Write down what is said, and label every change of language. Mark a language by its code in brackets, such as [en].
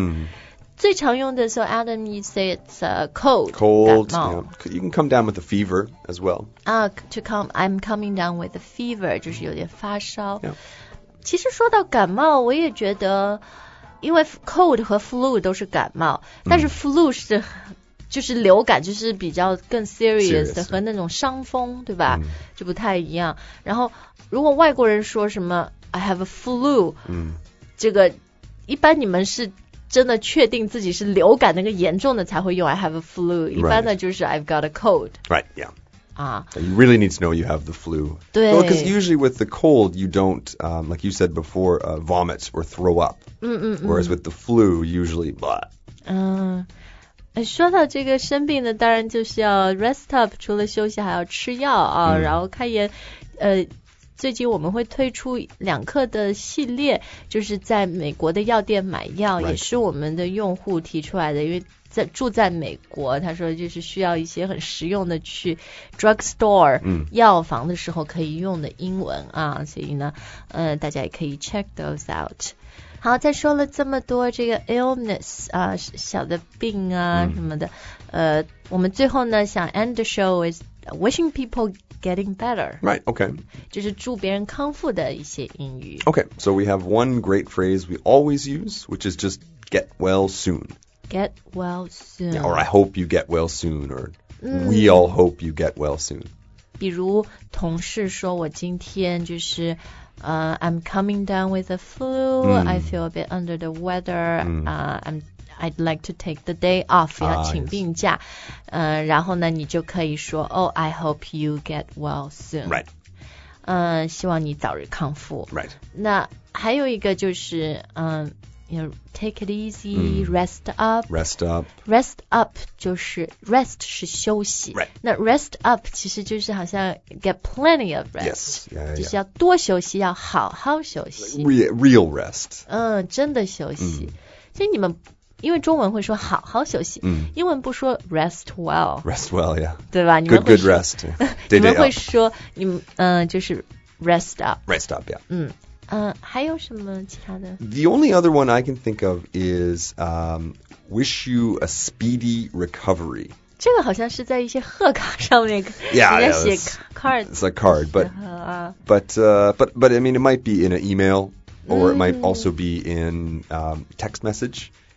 [zh] mm. 最常用的 [en] so Adam you say it's cold. Cold. Yeah. You can come down with a fever as well. I'm coming down with a fever. [zh] 就是有点发烧。 [en] Yeah. [zh] 其实说到感冒我也觉得因为 cold 和 flu 都是感冒、mm. 但是 flu 是就是流感就是比较更 serious 的 [en] serious. [zh] 和那种伤风对吧、mm. 就不太一样。然后如果外国人说什么 [en] I have a flu,、 mm. [zh] 这个一般你们是真的确定自己是流感那个严重的才会用 [en] I have a flu、 right. [zh] 一般的就是 [en] I've got a cold right yeah、啊、 you really need to know you have the flu [zh] 对 [en] because、well, usually with the cold you don't、like you said before、vomit or throw up、嗯、 whereas with the flu usually blah、 [zh] 说到这个生病的当然就是要 rest up 除了休息还要吃药啊、嗯，然后开炎最近我们会推出两课的系列就是在美国的药店买药、 [en] right. [zh] 也是我们的用户提出来的因为在住在美国他说就是需要一些很实用的去 drugstore、 mm. 药房的时候可以用的英文啊所以呢大家也可以 [en] check those out [zh] 好再说了这么多这个 illness 啊小的病啊、mm. 什么的我们最后呢想 [en] end the show with wishing peopleGetting better. Right, okay. [zh] 就是祝别人康复的一些英语。 [en] Okay, so we have one great phrase we always use, which is just get well soon. Get well soon. Yeah, or I hope you get well soon, or、mm. we all hope you get well soon. [zh] 比如同事说我今天就是 [en] I'm coming down with the flu,、mm. I feel a bit under the weather,、mm. I'd like to take the day off, [zh] 要请病假、 [en] yes. [zh] 然后呢你就可以说 [en] Oh, I hope you get well soon. Right.、 [zh] 希望你早日康复。 [en] Right. [zh] 那还有一个就是、 [en] you know, take it easy,、mm. rest up. Rest up. [zh] Rest up 就是 rest 是休息。 [en] Right. [zh] 那 rest up 其实就是好像 [en] get plenty of rest. Yes. Yeah, yeah, yeah. [zh] 就是要多休息要好好休息。 [en] Real rest.、 [zh] 真的休息。Mm. 所以你们因为中文会说好好休息、嗯、英文不说 [en] rest well rest well yeah [zh] 对吧 [en] good rest day [zh] 你们会说你们、就是 rest up [en] rest up yeah、 [zh] 嗯还有什么其他的 [en] the only other one I can think of is、wish you a speedy recovery [zh] 这个好像是在一些贺卡上面 [en] yeah, [zh] 写 card [en] it's a card but I mean it might be in an email or、嗯、it might also be in、text message